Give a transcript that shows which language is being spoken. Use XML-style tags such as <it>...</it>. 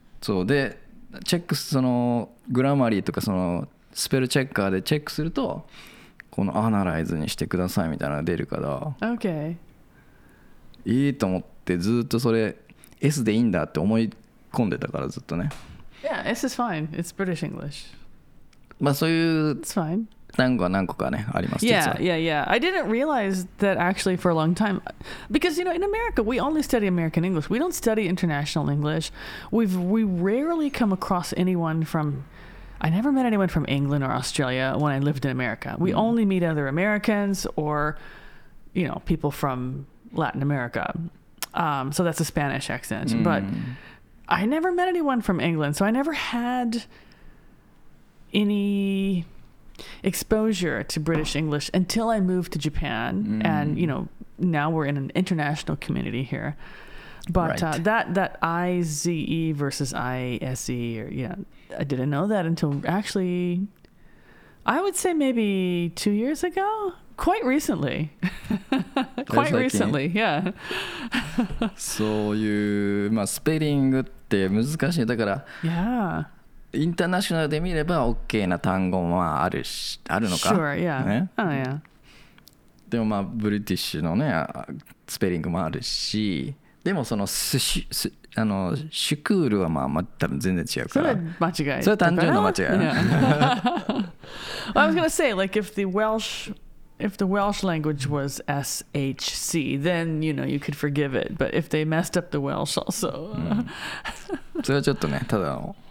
<ja>そうでチェック、そのグラマリーとかそのスペルチェッカーでチェックするとこのアナライズにしてくださいみたいなのが出るから、</ja> <en>okay.</en> <ja>いいと思ってずっとそれ S でいいんだって思い込んでたからずっとね。</ja> <en>Yeah, S is fine. It's British English.</en> <ja>まあそういう</ja> <en>It's fine.</en> <ja>単語は何個かねあります。</ja> <en>Yeah, yeah, yeah. I didn't realize that actually for a long time. Because, you know, in America, we only study American English. We don't study international English. We rarely come across anyone from... I never met anyone from England or Australia when I lived in America. We only meet other Americans or, you know, people from Latin America. So that's a Spanish accent. Mm. But I never met anyone from England. So I never had any... exposure to British English until I moved to Japan、mm. and you know now we're in an international community here but、right. that IZE versus ISE or, yeah, I didn't know that until actually I would say maybe 2 years ago, quite recently. Quite recently, yeah.</en> <ja>そういう、まあ、スペリングって難しいだから</ja> <en>yeah</en> <ja>インターナショナルで見れば OK な単語もあるのか。</ja> <en>Sure, yeah.、</en> <ja>ね、</ja> <en>oh, yeah.</en> <ja>でもまあ、ブリティッシュのね、スペリングもあるし、でもその、シュクールはまあ、多分全然違うから。それは間違い。それは単純な間違い。</ja> <en>Yeah. Well, I was going to say, like, if the Welsh language was SHC, then, you know, you could forgive it. But if they messed up the Welsh also. 、う</en> <ja>ん、それはちょっとね、ただの。</ja>